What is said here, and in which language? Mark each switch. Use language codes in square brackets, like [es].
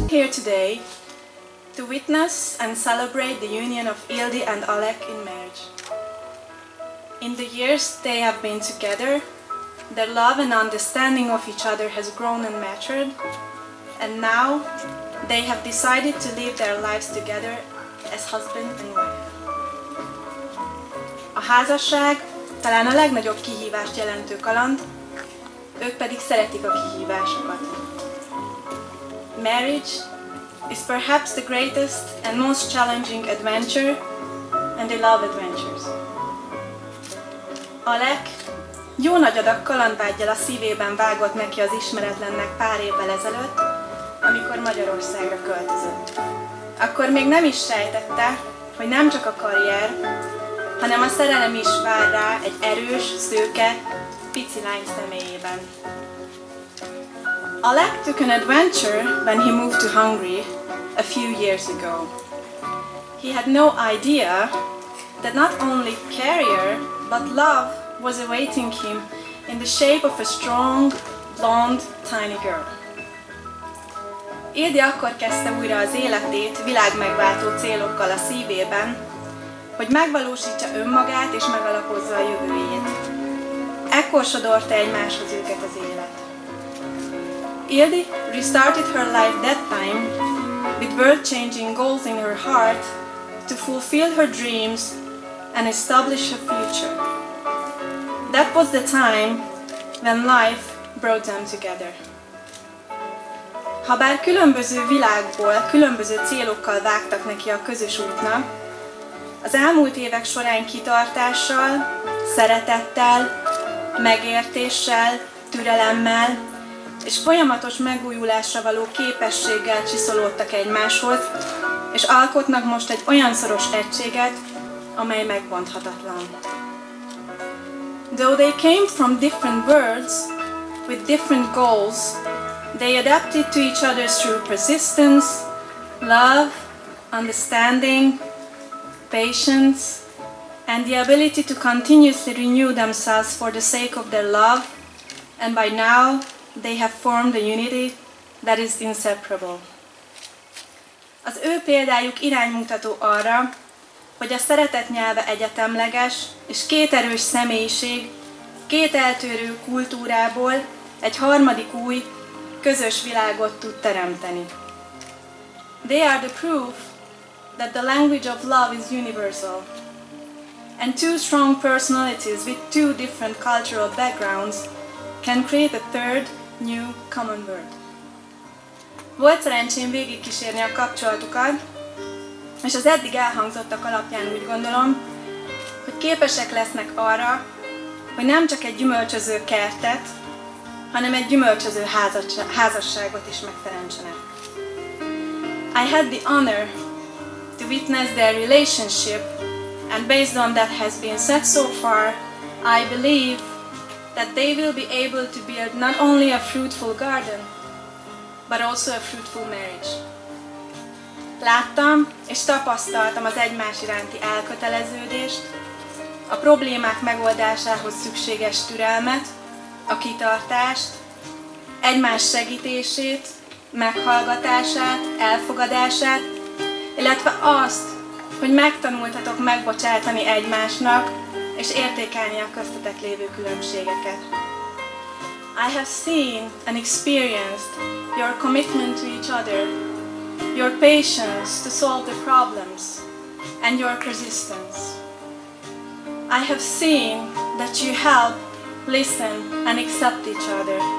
[en] Today, to witness and celebrate the union of Ildi and Alec in marriage. In the years they have been together, their love and understanding of each other has grown and matured, and now they have decided to live their lives together as husband and wife. [hu] A házasság talán a legnagyobb kihívást jelentő kaland, ők pedig szeretik a kihívásokat. [en] Marriage is perhaps the greatest and most challenging adventure, and they love adventures. [hu] Alec jó nagy adag kalandvágyjal a szívében vágott neki az ismeretlennek pár évvel ezelőtt, amikor Magyarországra költözött. Akkor még nem is sejtette, hogy nem csak a karrier, hanem a szerelem is vár rá egy erős, szőke, pici lány személyében. [en] Alec took an adventure when he moved to Hungary a few years ago. He had no idea that not only career, but love was awaiting him in the shape of a strong, blonde, tiny girl. [hu] Ildi akkor kezdte újra az életét világmegváltó célokkal a szívében, hogy megvalósítsa önmagát és megalapozza a jövőjét. Ekkor sodorta egymáshoz őket az élet. [en] Ildi restarted her life that time with world-changing goals in her heart to fulfill her dreams and establish a future. That was the time when life brought them together. [hu] Habár különböző világból, különböző célokkal vágtak neki a közös útnak, az elmúlt évek során kitartással, szeretettel, megértéssel, türelemmel és folyamatos megújulásra való képességgel csiszolódtak egymáshoz, és alkotnak most egy olyan szoros egységet, amely megbonthatatlan. [en] Though they came from different worlds, with different goals, they adapted to each other through persistence, love, understanding, patience, and the ability to continuously renew themselves for the sake of their love, and by now, they have formed a unity that is inseparable. [hu] Az ő példájuk iránymutató arra, hogy a szeretet nyelve egyetemleges, és két erős személyiség, két eltörő kultúrából egy harmadik új, közös világot tud teremteni. [en] They are the proof that the language of love is universal. And two strong personalities with two different cultural backgrounds can create a third, new common word. [hu] Volt szerencsém végigkísérni a kapcsolatukat, és az eddig elhangzottak alapján úgy gondolom, hogy képesek lesznek arra, hogy nem csak egy gyümölcsöző kertet, hanem egy gyümölcsöző házasságot is megteremtsenek. [en] I had the honor to witness their relationship, and based on that has been said so far, I believe that they will be able to build not only a fruitful garden, but also a fruitful marriage. [hu] Láttam és tapasztaltam az egymás iránti elköteleződést, a problémák megoldásához szükséges türelmet, a kitartást, egymás segítését, meghallgatását, elfogadását, illetve azt, hogy megtanultatok megbocsátani egymásnak, és értékelni a köztetek lévő különbségeket. [en] I have seen and experienced your commitment to each other, your patience to solve the problems, and your persistence. I have seen that you help, listen, and accept each other.